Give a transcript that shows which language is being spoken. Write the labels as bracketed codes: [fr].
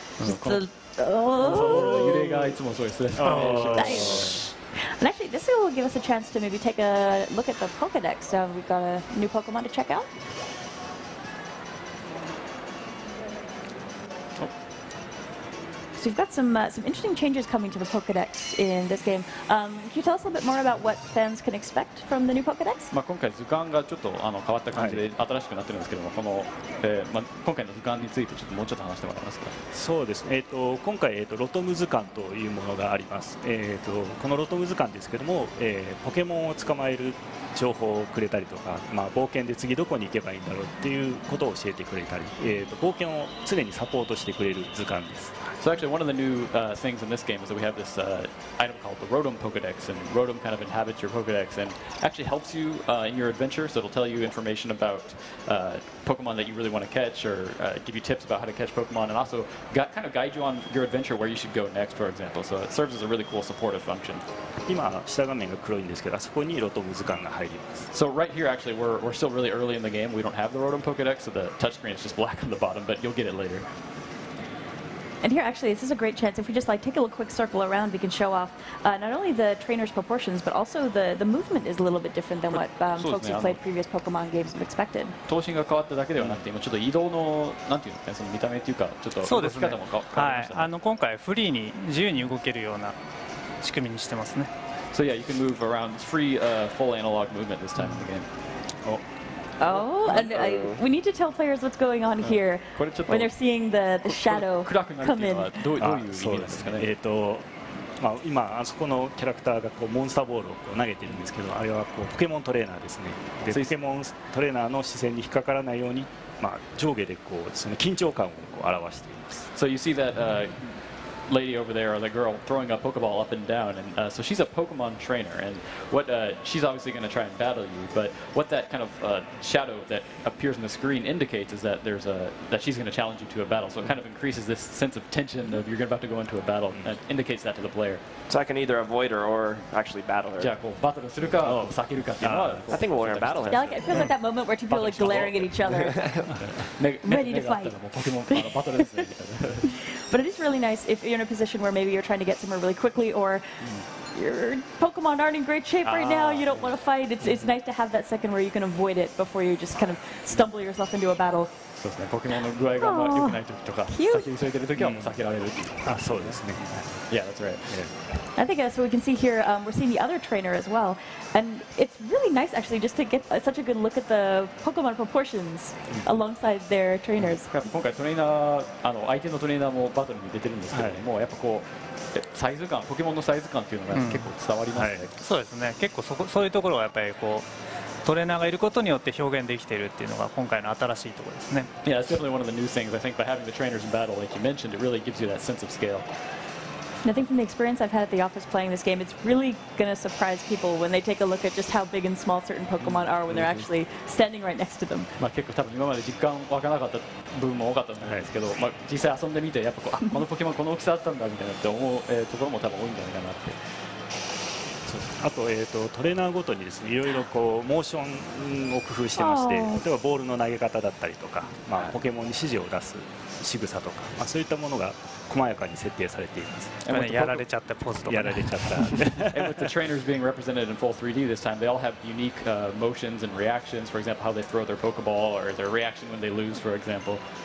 [en] And actually, this will give us a chance to maybe take a look at the Pokedex. So we've got a new Pokemon to check out. So we've got some interesting changes coming to the Pokedex in this game. Can you tell us a little bit more about what fans can expect from the new Pokedex? [ja] まあ今回図鑑がちょっとあの変わった感じで新しくなってるんですけども、この、まあ今回の図鑑についてちょっともうちょっと話してもらえますか。そうですね。今回ロトム図鑑というものがあります。このロトム図鑑ですけども、ポケモンを捕まえる情報をくれたりとか、まあ冒険で次どこに行けばいいんだろうっていうことを教えてくれたり、冒険を常にサポートしてくれる図鑑です。 [en] So actually one of the new things in this game is that we have this item called the Rotom Pokedex, and Rotom kind of inhabits your Pokedex and actually helps you in your adventure. So it'll tell you information about Pokemon that you really want to catch, or give you tips about how to catch Pokemon, and also kind of guide you on your adventure where you should go next, for example. So it serves as a really cool supportive function. [ja] 今下画面が黒いんですけど、あそこにロトム図鑑が入ります。 [en] So right here actually we're still really early in the game. We don't have the Rotom Pokedex, so the touchscreen is just black on the bottom, but you'll get it later. And here, actually, this is a great chance. If we just like take a little quick circle around, we can show off not only the trainer's proportions, but also the movement is a little bit different than what folks who played previous Pokemon games have expected. [ja] 頭身が変わっただけではなくて、今ちょっと移動のなんていうのか、その見た目っていうか、ちょっと動き方も変わりました、ね。はい、あの今回フリーに自由に動けるような仕組みにしてますね。 [en] So yeah, you can move around. It's free, full analog movement this time in the game. Oh, and we need to tell players what's going on here when they're seeing the shadow come in. [ja] どういう意味ですかね。まあ、今あそこのキャラクターがこうモンスターボールをこう投げてるんですけど、あれはこうポケモントレーナーですね。で、ポケモントレーナーの視線に引っかからないように、まあ、上下でこうその緊張感をこう表しています。 [en] So you see that, lady over there, or the girl throwing a Pokeball up and down, and so she's a Pokemon trainer, and what she's obviously going to try and battle you, but what that kind of shadow that appears on the screen indicates is that there's a that she's going to challenge you to a battle, so it kind of increases this sense of tension of you're about to go into a battle, and indicates that to the player. So I can either avoid her or actually battle her. [ja] じゃあこうバトルするか、避けるかっていうのは、 [en] I think we're going to battle her. Yeah, like it feels like that moment where two people are like glaring at each other, ready to fight. [ja] Pokemon battle ですね。 [en] But it is really nice if you're in a position where maybe you're trying to get somewhere really quickly, or your Pokemon aren't in great shape right now, you don't want to fight, it's nice to have that second where you can avoid it before you just kind of stumble yourself into a battle. [ja] そうですね、ポケモンの具合が良くない時とか先に急いでる時はもう避けられるっていう、あ、そうですね。 [en] Yeah, that's right. I think that's what we can see here. We're seeing the other trainer as well. And it's really nice actually just to get such a good look at the Pokemon proportions alongside their trainers. [ja] 今回トレーナー、相手のトレーナーもバトルに出てるんですけど、はい、もうやっぱこうサイズ感、ポケモンのサイズ感っていうのが結構伝わりますね、うん、はい、そうですね、結構 そういうところはやっぱりこうトレーナーがいることによって表現できているっていうのが今回の新しいところですね。 [en] Yeah, that's definitely one of the new things. I think by having the trainers in battle, like you mentioned, it really gives you that sense of scale. And I think from the experience I've had at the office playing this game, it's really going to surprise people when they take a look at just how big and small certain Pokemon are when they're actually standing right next to them. [ja] まあ結構多分今まで実感湧かなかった部分も多かったんですけど、まあ実際遊んでみてやっぱこう、あ、このポケモンこの大きさだったんだみたいなって思うところも多分多いんじゃないかなって。あと、トレーナーごとにですね、いろいろこうモーションを工夫してまして、例えばボールの投げ方だったりとか、まあ、ポケモンに指示を出す仕草とか、まあ、そういったものが細やかに設定されています。やられちゃったポーズとか、ね。やられちゃった。 [en] And with the trainers being represented in full 3D this time, they all have unique motions and reactions. For example, how they throw their Pokeball or their reaction when they lose, for example.